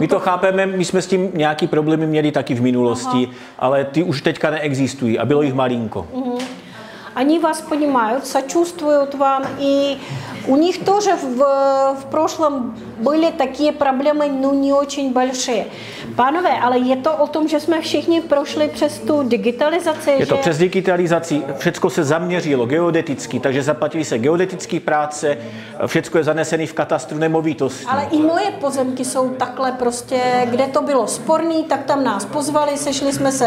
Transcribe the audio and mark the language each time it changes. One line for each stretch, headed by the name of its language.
Czech: my to chápeme, my jsme s tím nějaký problémy měli taky v minulosti, ale ty už teďka neexistují a bylo jich malinko.
Russian: Они вас понимают, сочувствуют вам, и у них тоже в прошлом были такие проблемы, ну не очень большие.
Czech: Панове, але je to o tom, že jsme všichni prošli přes tu digitalizaci, je to přes digitalizaci, všecko se zaměřilo geodeticky, takže zaplatili se geodetický práce, všecko je zanesené v katastru nemovitostí. Ale i moje pozemky jsou takhle prostě, kde to bylo sporný, tak tam nás pozvali, sešli jsme se.